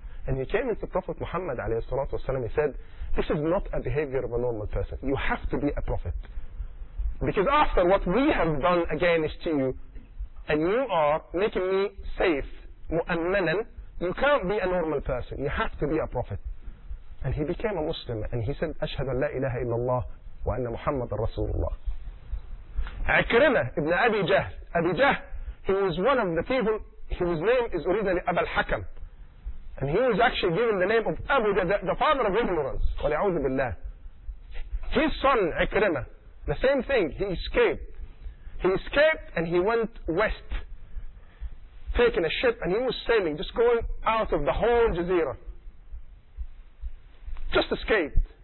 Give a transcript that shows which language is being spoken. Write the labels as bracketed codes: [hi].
[en] And he came into Prophet Muhammad عليه الصلاة والسلام. He said, this is not a behavior of a normal person. You have to be a prophet, because after what we have done against to you, and you are making me safe, مؤمنا, you can't be a normal person. You have to be a prophet. And he became a Muslim, and he said, [ar] أشهد أن لا إله إلا الله وأن محمد رسول الله. عكرمة ابن أبي جهل. أبي جهل, [en] he was one of the people, his name is originally Abu al-Hakam, and he was actually given the name of Abu, the father of ignorance, [ar] وَلِعُوذِ بِاللَّهِ. [en] His son Ikrimah, the same thing, he escaped and he went west, taking a ship, and he was sailing, just going out of the whole Jazeera, just escaped.